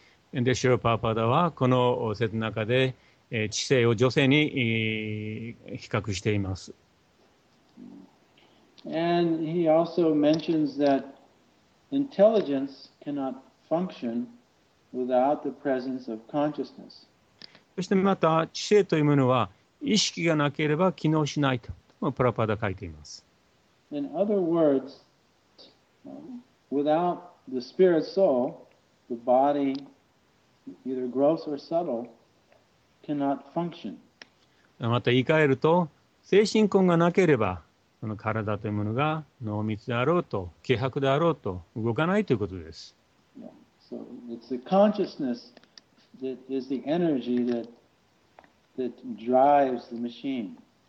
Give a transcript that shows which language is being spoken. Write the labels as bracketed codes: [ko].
[en] And the [ja] Śrīla Prabhupāda はこの説の中で知性を女性に比較しています。 [en] And he also mentions that intelligence cannot function without the presence of consciousness. [ja] そしてまた知性というものは意識がなければ機能しないとプラパダ書いています。 [en] In other words, without the spirit soul, the body, either gross or subtle, cannot function. [ja] また言い換えると精神根がなければその体というものが濃密であろうと希薄であろうと動かないということです。 [en] So it's the consciousnessThat is the energy that drives the machine.